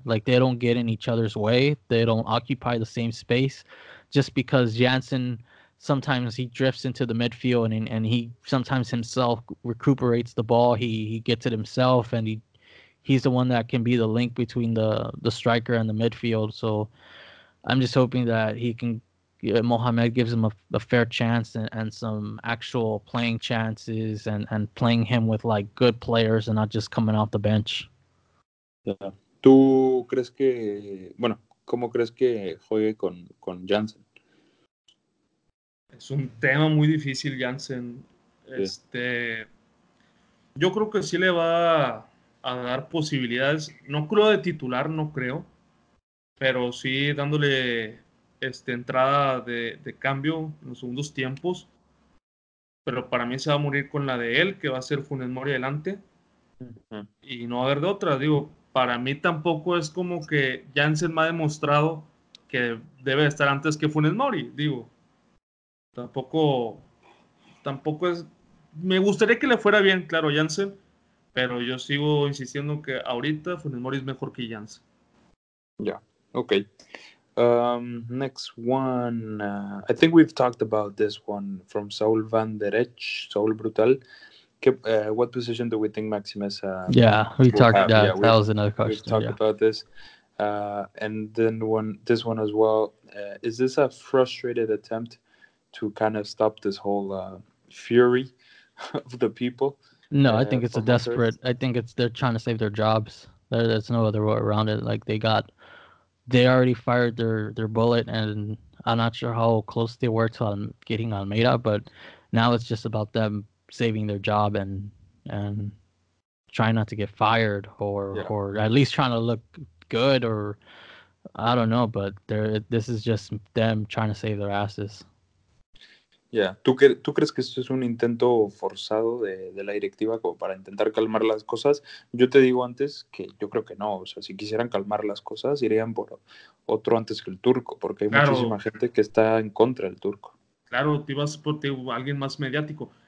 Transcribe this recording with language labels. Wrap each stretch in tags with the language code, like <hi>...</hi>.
<en>Like, they don't get in each other's way, they don't occupy the same space, just because Jansen sometimes he drifts into the midfield and he sometimes himself recuperates the ball, he gets it himself, and he's the one that can be the link between the striker and the midfield. So I'm just hoping that he can, Mohamed gives him a fair chance and some actual playing chances and playing him with, like, good players and not just coming off the bench. Yeah.</en> <es>¿Tú crees que, bueno, cómo crees que juegue con Jansen? Es un tema muy difícil, Jansen. Yeah. Yo creo que sí le va a dar posibilidades. No creo de titular, no creo. Pero sí dándole entrada de cambio en los segundos tiempos. pero para mí se va a morir con la de él, que va a ser Funes Mori adelante, y no va a haber de otra. Digo, para mí tampoco es como que Jansen me ha demostrado que debe estar antes que Funes Mori, digo. Tampoco es... Me gustaría que le fuera bien, claro, Jansen, pero yo sigo insistiendo que ahorita Funes Mori es mejor que Jansen.</es> <en>Ya, yeah. Ok. Next one. I think we've talked about this one from Saul van der Ech, Saul Brutal. What position do we think Maximus we talked about this. And then this one as well. Is this a frustrated attempt to kind of stop this whole fury of the people? No, I think it's a desperate. I think it's they're trying to save their jobs. There's no other way around it. Like they already fired their bullet, and I'm not sure how close they were to getting Almeida, but now it's just about them saving their job and trying not to get fired or at least trying to look good, or I don't know, but this is just them trying to save their asses. Yeah.</en> <es>¿Tú crees que esto es un intento forzado de la directiva como para intentar calmar las cosas? Yo te digo antes que yo creo que no. O sea, si quisieran calmar las cosas, irían por otro antes que el turco, porque hay muchísima gente que está en contra del turco. Claro, te ibas por alguien más mediático.</es>